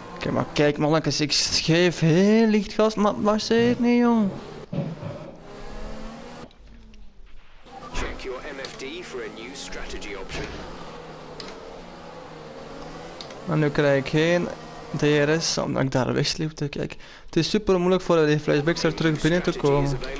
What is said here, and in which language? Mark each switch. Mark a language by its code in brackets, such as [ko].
[nl] Maar kijk mannetjes, ik geef heel licht gas, maar marcheert niet jong. [en] Check your MFD for a new strategy option. [nl] Maar nu krijg ik geen DRS omdat ik daar wegsliep. Kijk, het is super moeilijk voor die flashbacks er terug binnen te komen.